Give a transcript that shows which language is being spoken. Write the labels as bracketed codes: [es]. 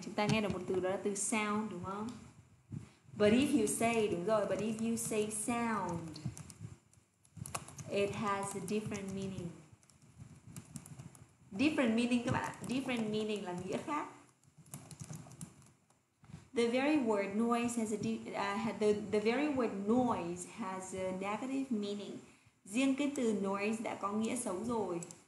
[vi] Chúng ta nghe được một từ đó là từ sound đúng không? [en] But if you say, [vi] đúng rồi, [en] but if you say sound, it has a different meaning. Different meaning [vi] các bạn ạ, [en] different meaning [vi] là nghĩa khác. [en] The very word noise has a the very word noise has a negative meaning. [vi] Riêng cái từ noise đã có nghĩa xấu rồi.